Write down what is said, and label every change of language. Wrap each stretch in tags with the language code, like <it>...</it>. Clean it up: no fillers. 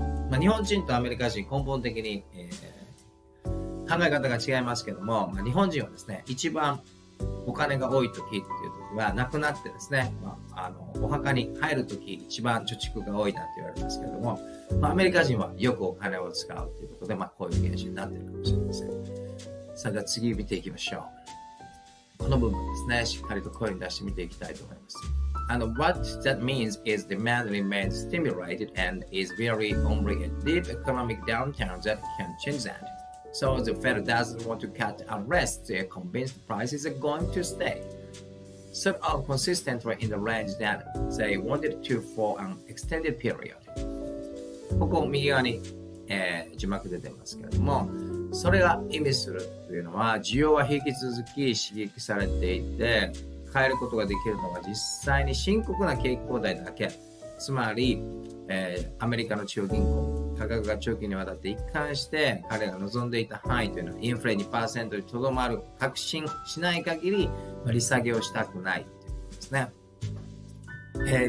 <ja>まあ、日本人とアメリカ人、根本的に、考え方が違いますけども、まあ、日本人はですね、一番お金が多いときっていうときは、亡くなってですね、まあ、お墓に入るとき、一番貯蓄が多いなんて言われますけれども、まあ、アメリカ人はよくお金を使うということで、まあ、こういう現象になっているかもしれません。さあ、じゃあ次見ていきましょう。この部分ですね、しっかりと声に出して見ていきたいと思います。</ja> <en>What that means is demand remains stimulated and is very only a deep economic downturn that can change that. So the Fed doesn't want to cut unless they're convinced prices are going to stay sort of consistent in the range that they wanted to for an extended period.</en> <ja>ここ右側に、字幕出てますけれども、それが意味するというのは、需要は引き続き刺激されていて、変えることができるのが実際に深刻な景気後退だけ。つまり、アメリカの中央銀行、価格が長期にわたって一貫して彼が望んでいた範囲というのはインフレ 2% にとどまる確信しない限り利下げをしたくないということですね。</ja>